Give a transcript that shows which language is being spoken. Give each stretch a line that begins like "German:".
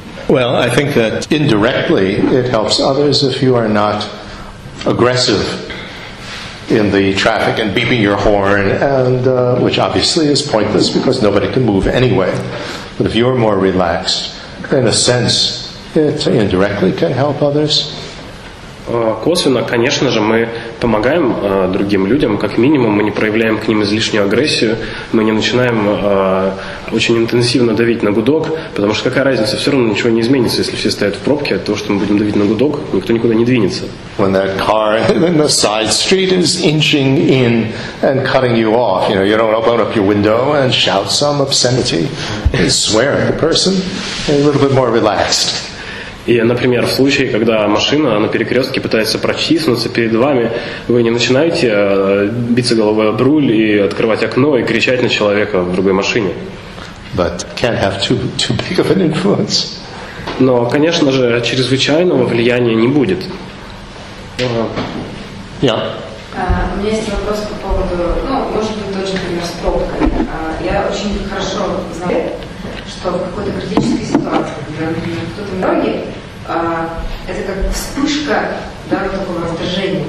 English: Well, I think that indirectly it helps others if you are not aggressive in the traffic and beeping your horn, and which obviously is pointless because nobody can move anyway. But if you're more relaxed, in a sense, it indirectly can help others.
Russian: Косвенно, конечно же, мы помогаем другим людям, как минимум, мы не проявляем к ним излишнюю агрессию, мы не начинаем очень интенсивно давить на гудок, потому что какая разница, все равно ничего не изменится, если все стоят в пробке, от того, что мы будем давить на гудок, никто никуда не двинется.
English: When that car in the side street is inching in and cutting you off, you know, you don't open up your window and shout some obscenity and swear at the person, a little bit more relaxed.
Russian: И, например, в случае, когда машина на перекрестке пытается протиснуться перед вами, вы не начинаете биться головой об руль и открывать окно и кричать на человека в другой машине.
English: But can't have too big of an influence.
Russian: Но, конечно же, чрезвычайного влияния не будет. Yeah. У меня есть вопрос по поводу, ну, может быть, тоже, например, с пробками. Я очень хорошо знаю, что в какой-то критической ситуации, кто-то на дороге, это как вспышка, да, вот такого раздражения.